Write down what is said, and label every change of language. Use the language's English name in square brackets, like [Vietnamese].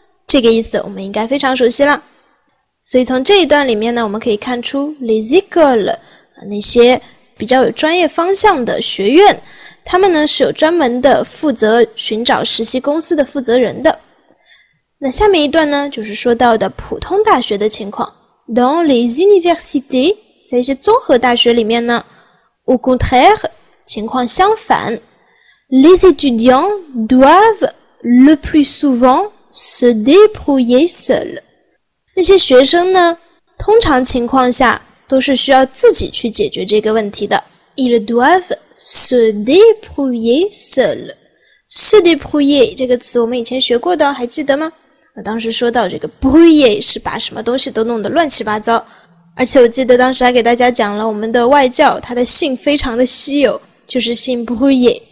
[Chinese] 这个意思我们应该非常熟悉了。所以从这一段里面呢，我们可以看出 [French] les écoles [Chinese] 那些比较有专业方向的学院，他们呢是有专门的负责寻找实习公司的负责人的。那下面一段呢就是说到的普通大学的情况。 [French] dans les universités [Chinese] 在一些综合大学里面呢 [French] au contraire [Chinese] 情况相反， [French] les étudiants doivent le plus souvent se débrouiller seuls。 [Chinese] 那些学生呢通常情况下都是需要自己去解决这个问题的。 [French] ils doivent se débrouiller seuls。 [Chinese] se débrouiller 这个词我们以前学过的，还记得吗？我当时说到这个 brouiller 是把什么东西都弄得乱七八糟，而且我记得当时还给大家讲了我们的外教他的姓非常的稀有，就是姓 Brouillé。